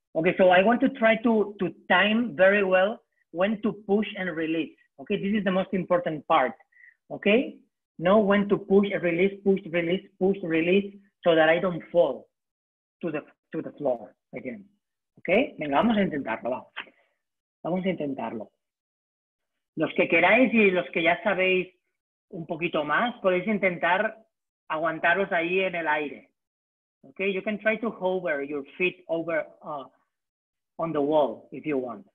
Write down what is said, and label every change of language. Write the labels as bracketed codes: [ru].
[en] Ok, so I want to try to time very well when to push and release. Ok, this is the most important part, ¿ok? Know when to push, release, push, release, push, release, so that I don't fall to the floor again. [es] Okay? Venga, vamos a intentarlo, va. Vamos a intentarlo. Los que queráis y los que ya sabéis un poquito más, podéis intentar aguantaros ahí en el aire. [en] Okay? You can try to hover your feet over on the wall if you want.